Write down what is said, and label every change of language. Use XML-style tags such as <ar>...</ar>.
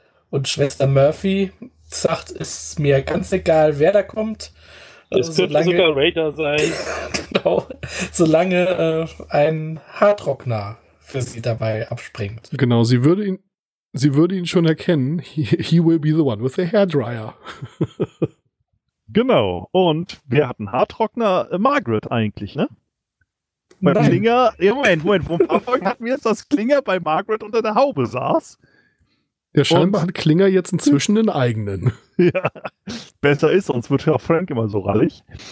<de>Und Schwester Murphy sagt, ist mir ganz egal, wer da kommt. Es könnte sogar Raider sein. Genau. Solange ein Hardrockner für sie dabei abspringt. Genau, sie würde ihn schon erkennen.</de> <en>He will be the one with the hairdryer.</en> <de>Genau. Und wer hat einen Haartrockner? Margaret eigentlich, ne? Bei Klinger, ja, Moment, vor ein paar Folgen hatten wir es, dass Klinger bei Margaret unter der Haube saß. Ja, scheinbar hat Klinger jetzt inzwischen einen eigenen. Ja, besser ist, sonst wird ja Frank immer so rallig.</de>